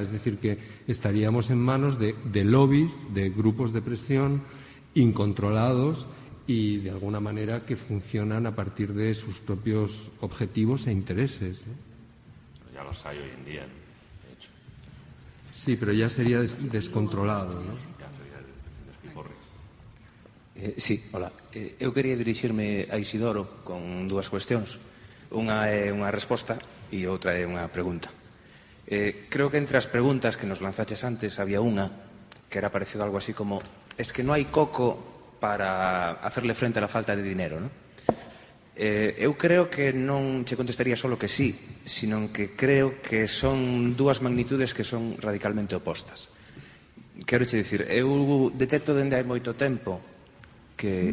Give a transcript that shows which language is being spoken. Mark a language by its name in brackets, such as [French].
[Spanish] Es decir, que estaríamos en manos de lobbies, de grupos de presión incontrolados y de alguna manera que funcionan a partir de sus propios objetivos e intereses, ¿no? Ya los hay hoy en día, de hecho. Sí, pero ya sería descontrolado, ¿no? Sí, hola. [Galician] Eu quería dirixirme a Isidoro con dúas cuestións. Unha é unha resposta e outra é unha pregunta. Creo que entre as preguntas que nos lanzaches antes había unha que era parecido a algo así como: [Spanish] es que no hay coco para hacerle frente a la falta de dinero, ¿no? [Galician] Eu creo que non che contestaría solo que sí, sino que creo que son dúas magnitudes que son radicalmente opostas. Quero che dicir, eu detecto dende hai moito tempo que...